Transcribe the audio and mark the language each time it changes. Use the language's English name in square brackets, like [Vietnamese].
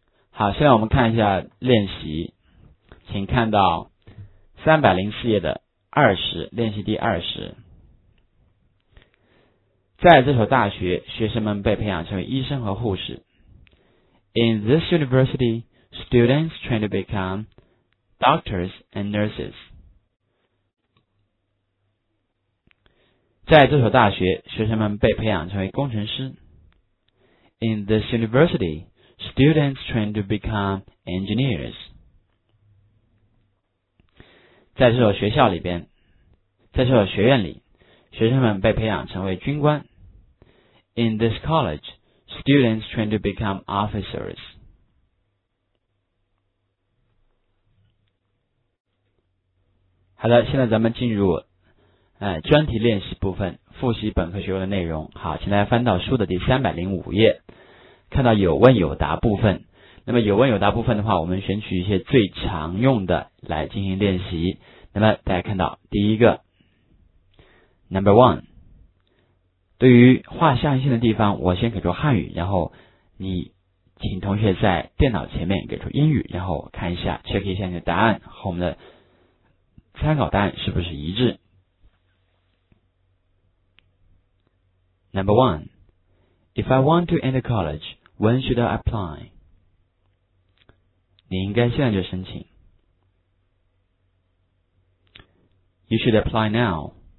[Chinese] 好，现在我们看一下练习，请看到304页的20，练习第20。在这所大学，学生们被培养成为医生和护士。 [English] In this university, students train to become doctors and nurses. [Chinese] 在这所大学，学生们被培养成为工程师。 [English] In this university,Students train to become engineers. [Chinese] 在这所学校里边，在这所学院里，学生们被培养成为军官。 [English] In this college, students train to become officers. [Chinese] 好的，现在咱们进入专题练习部分，复习本科学位的内容。好，请大家翻到书的第305页。看到有问有答部分，那么有问有答部分的话，我们选取一些最常用的来进行练习。那么大家看到第一个 Number one， 对于画下限线的地方，我先给出汉语，然后你请同学在电脑前面给出英语，然后看一下 check 一下你的答案和我们的参考答案是不是一致。 [English] Number oneIf I want to enter college, when should I apply? [Chinese] 你应该现在就申请。 [English] You should apply now.